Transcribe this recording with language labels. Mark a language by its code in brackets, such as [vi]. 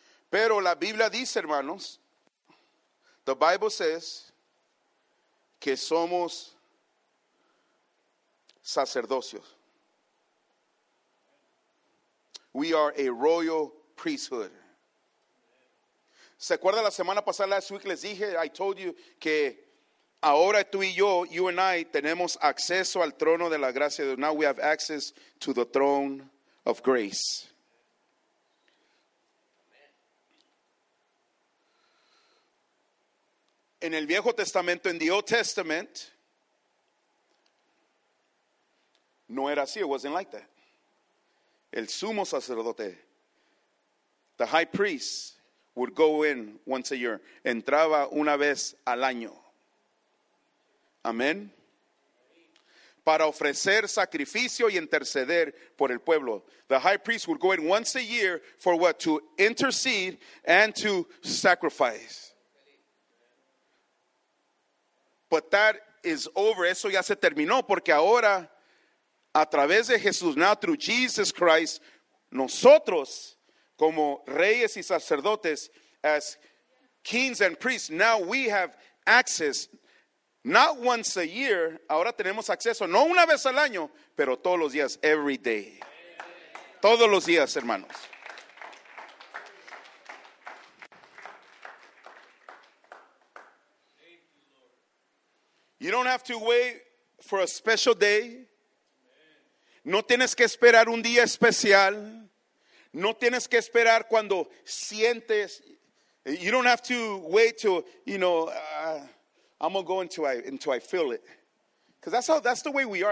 [es] Pero la Biblia dice, hermanos, [en] The Bible says [es] que somos sacerdocios. [en] We are a royal priesthood. [es] ¿Se acuerda la semana pasada, [en] last week, [es] les dije, [en] I told you, [es] que ahora tú y yo, [en] you and I, [es] tenemos acceso al trono de la gracia. [en] Now we have access to the throne of grace. [es] En el Viejo Testamento, [en] in the Old Testament, [es] no era así, [en] it wasn't like that. [es] El sumo sacerdote, [en] the high priest, would go in once a year. [es] Entraba una vez al año. Amén. Para ofrecer sacrificio y interceder por el pueblo. [en] The high priest would go in once a year for what? To intercede and to sacrifice. But that is over. [es] Eso ya se terminó. Porque ahora, a través de Jesús, [en] now through Jesus Christ, [es] nosotros, como reyes y sacerdotes, [en] as kings and priests, now we have access, not once a year, [es] ahora tenemos acceso, no una vez al año, pero todos los días, [en] every day. [es] Todos los días, hermanos. [en] You don't have to wait for a special day. [es] No tienes que esperar un día especial. No tienes que esperar cuando sientes. [en] You don't have to wait to, you know, I'm going to go until I feel it. Because that's the way we are.